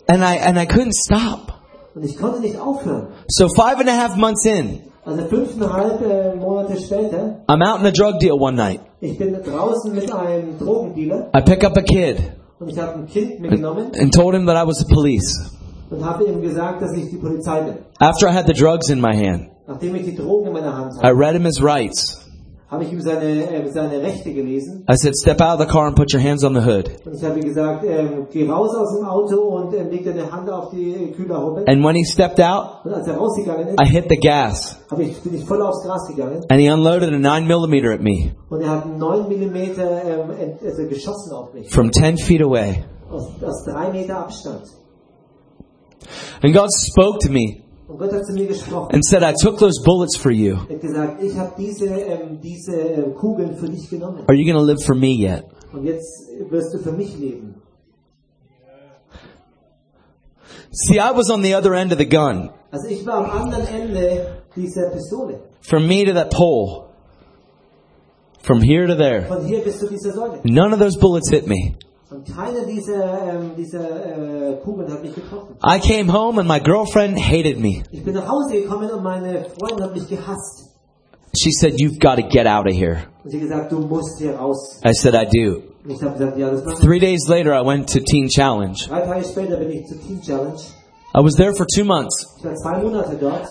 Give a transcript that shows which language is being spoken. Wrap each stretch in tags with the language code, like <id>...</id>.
<en>And I couldn't stop.</en> <de>Und ich konnte nicht aufhören.</de> <en>So 5.5 months in,</en> <de>also 5.5 Monate später,</de> <en>I'm out in a drug deal one night.</en> <de>Ich bin draußen mit einem Drogendealer.</de> <en>I pick up a kid.</en> <de>Und ich habe ein Kind mitgenommen</de> <en>and told him that I was the police.</en> <de>Und habe ihm gesagt, dass ich die Polizei bin.</de> <en>After I had the drugs in my hand,</en> <de>nachdem ich die Drogen in meiner Hand hatte,</de> <en>I read him his rights.</en> <de>Habe ich ihm seine Rechte gelesen.</de> <en>I said, step out of the car and put your hands on the hood.</en> <de>Und ich habe ihm gesagt, geh raus aus dem Auto und leg deine Hand auf die Kühlerhaube.</de> <en>And when he stepped out,</en> <de>und als er rausgegangen ist,</de> <en>I hit the gas.</en> <de>Bin ich voll aufs Gras gegangen.</de> <en>And he unloaded a 9mm at me.</en> <de>Und er hat 9mm geschossen auf mich.</de> <en>From 10 feet away.</en> <de>Aus 3 Meter Abstand.</de> <en>And God spoke to me.</en> <de>Und Gott hat zu mir gesprochen.</de> <en>And said, I took those bullets for you.</en> <de>Er hat gesagt, ich habe diese Kugeln für dich genommen.</de> <en>Are you going to live for me yet?</en> <de>Und jetzt wirst du für mich leben.</de> <en>See, I was on the other end of the gun.</en> <de>Also ich war am anderen Ende dieser Pistole.</de> <en>From me to that pole. From here to there.</en> <de>Von hier bis zu dieser Säule.</de> <en>None of those bullets hit me.</en> <de>Und keine dieser Kugeln hat mich getroffen.</de> <en>I came home and my girlfriend hated me.</en> <de>Ich bin nach Hause gekommen und meine Freundin hat mich gehasst.</de> <en>She said, "You've got to get out of here."</en> <de>Sie gesagt, du musst hier raus.</de> <en>I said, "I do."</en> <de>Ich hab gesagt, ja, das mache ich.</de> <en>3 days later, I went to Teen Challenge.</en> <de>3 Tage später bin ich zu Teen Challenge.</de> <en>I was there for 2 months.</en> <de>Ich war 2 Monate dort.</de>